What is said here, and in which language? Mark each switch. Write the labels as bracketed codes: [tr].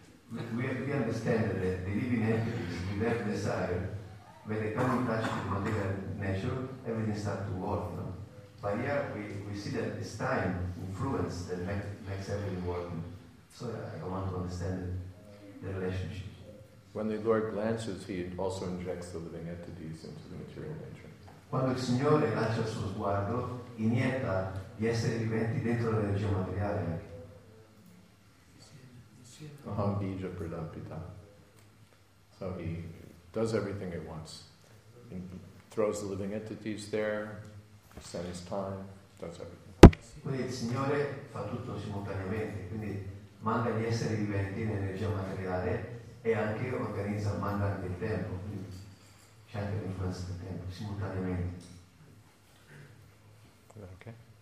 [en] We understand that the living entities, with their desire, when they come in touch with material nature, everything starts to work. No? But here we see that it's time, influence, that makes everything work. So I want to understand the relationship. When the Lord glances, he also injects the living entities into the material nature. [it] Quando il Signore lancia il suo sguardo, inietta gli esseri viventi dentro l'energia materiale. [sa] Aham bija pradam pita. [en] So he does everything at once. He throws the living entities there, spends his time, does everything. [it] Quindi il Signore fa tutto simultaneamente, quindi manda gli esseri viventi nell'energia materiale, e anche organizza, manda anche il tempo, quindi c'è anche l'influenza del tempo, simultaneamente. Ok.